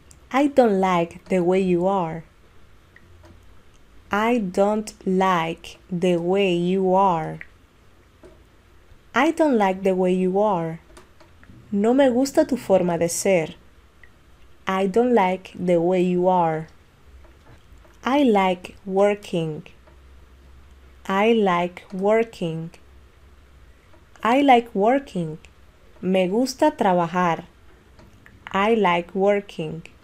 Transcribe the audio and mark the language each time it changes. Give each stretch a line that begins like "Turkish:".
English: I don't like the way you are. I don't like the way you are. I don't like the way you are.
Spanish: No me gusta tu forma de ser.
English: I don't like the way you are. I like working. I like working. I like working.
Spanish: Me gusta trabajar.
English: I like working.